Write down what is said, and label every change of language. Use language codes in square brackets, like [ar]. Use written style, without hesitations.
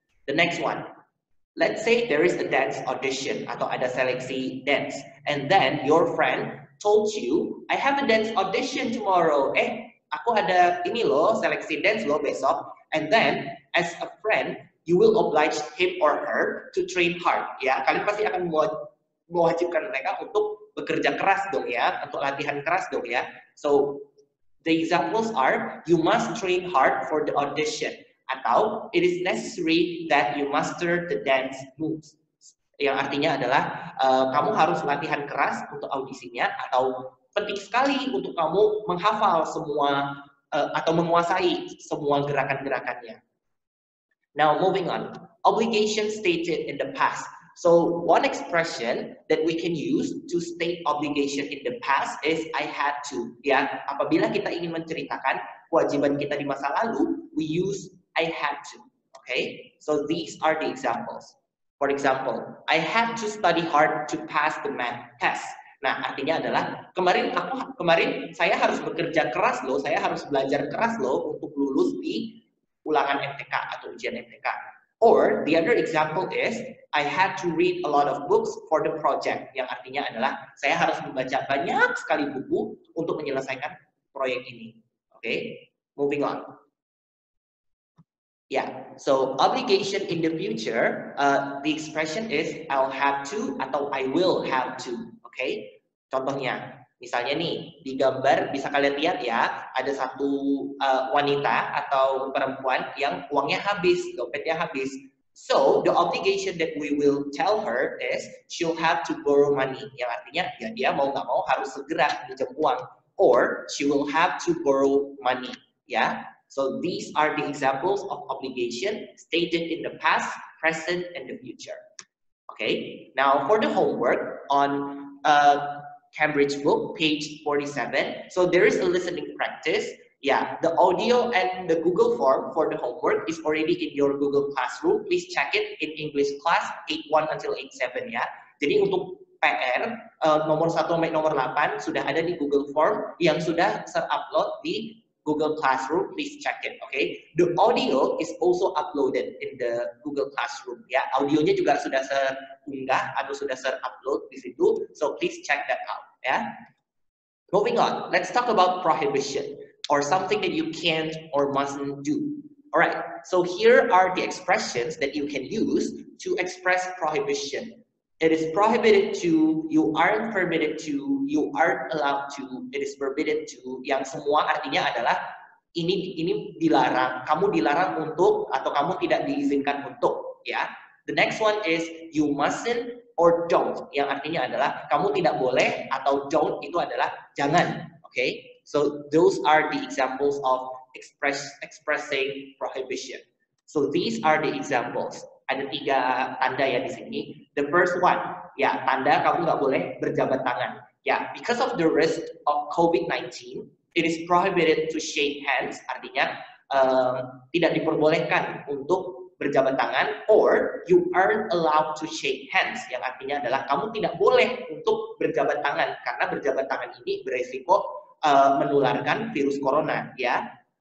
[en] The next one, let's say there is a dance audition [id] atau ada seleksi dance, [en] and then your friend told you, I have a dance audition tomorrow. [id] Aku ada ini loh, seleksi dance loh besok. [en] And then, as a friend, you will oblige him or her to train hard. [id] Ya, kalian pasti akan mewajibkan mereka untuk bekerja keras dong ya, atau latihan keras dong ya. [en] So, the examples are, you must train hard for the audition. Atau, it is necessary that you master the dance moves. [id] Yang artinya adalah, kamu harus latihan keras untuk audisinya, atau penting sekali untuk kamu menghafal semua, atau menguasai semua gerakan-gerakannya. [en] Now, moving on. Obligation stated in the past. So, one expression that we can use to state obligation in the past is I had to. [id] Ya, apabila kita ingin menceritakan kewajiban kita di masa lalu, [en] we use I had to. Okay? So, these are the examples. For example, I had to study hard to pass the math test. [id] Nah, artinya adalah kemarin saya harus bekerja keras loh, saya harus belajar keras loh untuk lulus di ulangan MTK atau ujian MTK. [en] Or the other example is I had to read a lot of books for the project, [id] yang artinya adalah saya harus membaca banyak sekali buku untuk menyelesaikan proyek ini. [en] Okay, moving on. Yeah, so obligation in the future, the expression is I'll have to atau I will have to. [id] Okay, contohnya, misalnya nih, di gambar bisa kalian lihat ya, ada satu wanita atau perempuan yang uangnya habis, dompetnya habis. [en] So, the obligation that we will tell her is she'll have to borrow money, [id] yang artinya ya dia mau nggak mau harus segera pinjam uang, [en] or she will have to borrow money, ya. So, these are the examples of obligation stated in the past, present, and the future. Okay, now for the homework on Cambridge book, page 47. So there is a listening practice. Yeah, the audio and the Google form for the homework is already in your Google Classroom. Please check it in English class 8.1 until 8.7 ya. [id] Jadi untuk PR, nomor 1 sampai nomor 8 sudah ada di Google form yang sudah ter-upload di Google Classroom. [en] Please check it, okay? The audio is also uploaded in the Google Classroom. [id] Yeah, audionya juga sudah terunggah atau sudah terupload di situ. [en] So please check that out. Yeah. Moving on, let's talk about prohibition or something that you can't or mustn't do. All right. So here are the expressions that you can use to express prohibition. It is prohibited to, you aren't permitted to, you aren't allowed to, it is forbidden to, [id] yang semua artinya adalah ini dilarang, kamu dilarang untuk atau kamu tidak diizinkan untuk, ya. [en] The next one is you mustn't or don't, [id] yang artinya adalah kamu tidak boleh atau don't itu adalah jangan, okay? [en] So those are the examples of expressing prohibition. So these are the examples. [id] Ada tiga tanda ya di sini. [en] The first one, [id] ya, tanda kamu nggak boleh berjabat tangan. Ya, [en] because of the risk of COVID-19, it is prohibited to shake hands, [id] artinya tidak diperbolehkan untuk berjabat tangan, [en] or you aren't allowed to shake hands, [id] yang artinya adalah kamu tidak boleh untuk berjabat tangan, karena berjabat tangan ini beresiko menularkan virus corona, ya.